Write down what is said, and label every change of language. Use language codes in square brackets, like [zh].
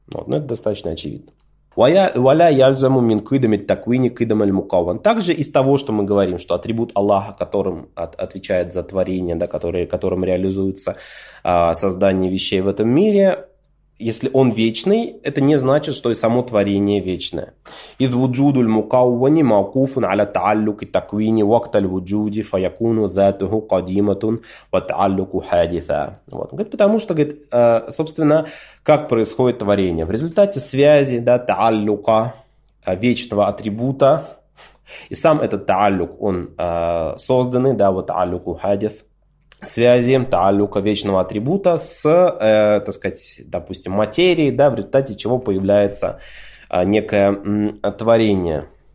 [ru] Вот. Но это достаточно очевидно. [ar] Валя яльзаму мин кыдамит такуини кыдамаль мукаван. [ru] Также из того, что мы говорим, что атрибут Аллаха, которым отвечает за творение, да, которым реализуется создание вещей в этом мире – если он вечный, это не значит, что и само творение вечное. [ar] إذ وجود المكون موقوف على تعلق التكوين وقت الوجود فيكون ذاته قديمة وتعلق حادثة. [ru] Вот. Говорит, потому что, говорит, собственно, как происходит творение? В результате связи, да, тааллука, вечного атрибута, и сам этот тааллук, он созданный, да, вот тааллук хадиث. Связи тааллюка вечного атрибута с, так сказать, допустим, материей, да, в результате чего появляется некое творение.